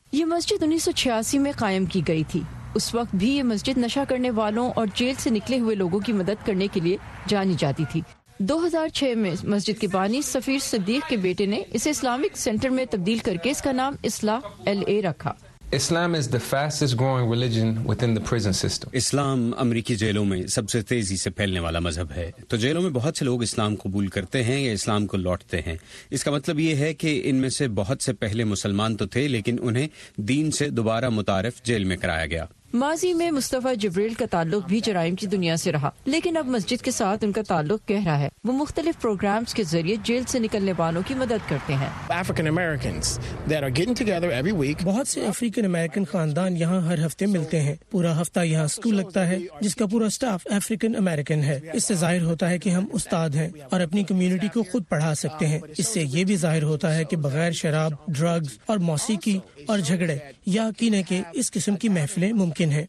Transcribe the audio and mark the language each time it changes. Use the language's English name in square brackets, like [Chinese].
[Urdu] یہ مسجد 1986 میں قائم کی گئی تھی. اس وقت بھی یہ مسجد نشہ کرنے والوں اور جیل سے نکلے ہوئے لوگوں کی مدد کرنے کے لیے جانی جاتی تھی. 2006 میں مسجد کے بانی سفیر صدیق کے بیٹے نے اسے اسلامک سینٹر میں تبدیل کر کے اس کا نام اصلاح ایل اے رکھا. [English] Islam is the fastest growing religion within the prison system. [Urdu] Islam امریکی جیلوں میں سب سے تیزی سے پھیلنے والا مذہب ہے. تو جیلوں میں بہت سے لوگ اسلام قبول کرتے ہیں یا اسلام کو لوٹتے ہیں. اس کا مطلب یہ ہے کہ ان میں سے بہت سے پہلے مسلمان تو تھے, لیکن انہیں دین سے دوبارہ متعارف جیل میں کرایا گیا. ماضی میں مصطفیٰ جبریل کا تعلق بھی جرائم کی دنیا سے رہا, لیکن اب مسجد کے ساتھ ان کا تعلق گہرا ہے. وہ مختلف پروگرامز کے ذریعے جیل سے نکلنے والوں کی مدد کرتے ہیں. [English] African Americans that are getting together every week. [Urdu] بہت سے افریقن امریکن خاندان یہاں ہر ہفتے ملتے ہیں. پورا ہفتہ یہاں سکول لگتا ہے جس کا پورا سٹاف افریقن امریکن ہے. اس سے ظاہر ہوتا ہے کہ ہم استاد ہیں اور اپنی کمیونٹی کو خود پڑھا سکتے ہیں. اس سے یہ بھی ظاہر ہوتا ہے کہ بغیر شراب, ڈرگز اور موسیقی اور جھگڑے یقین ہے کہ اس قسم کی محفلیں ممکن.